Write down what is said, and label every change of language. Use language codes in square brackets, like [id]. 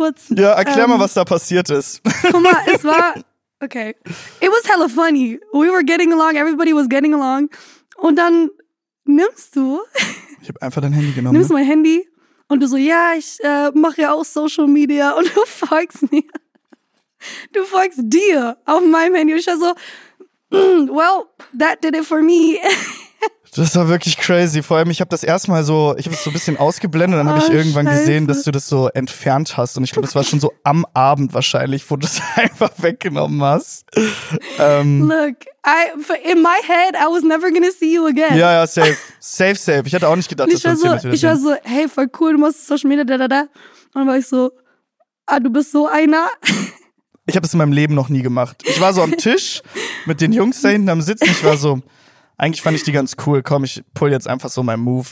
[de] Ja, erklär mal, was da passiert ist. Guck mal, es war, okay. [en] It was hella funny. We were getting along, everybody was getting along. [de] Und dann nimmst du. Ich habe einfach dein Handy genommen. Nimmst du mein Handy. Und du so, ja, ich mache ja auch Social Media und du folgst mir. Du folgst dir auf meinem Handy. Und ich war so, [en] well, that did it for me. [de] Das war wirklich crazy. Vor allem, ich habe das erstmal so, ich habe es so ein bisschen ausgeblendet. Und dann habe ich irgendwann gesehen, dass du das so entfernt hast. Und ich glaube, das war schon so am Abend wahrscheinlich, wo du es einfach weggenommen hast. [en] Look, in my head, I was never gonna see you again. [de] Ja, ja, safe. Safe, safe. Ich hatte auch nicht gedacht, dass wir uns wieder sehen. Ich war so, hey, voll cool, du machst Social Media, da. Und dann war ich so, ah, du bist so einer. Ich habe das in meinem Leben noch nie gemacht. Ich war so am Tisch mit den Jungs da hinten am Sitzen. Ich war so, eigentlich fand ich die ganz cool. Komm, ich pull jetzt einfach so meinen Move.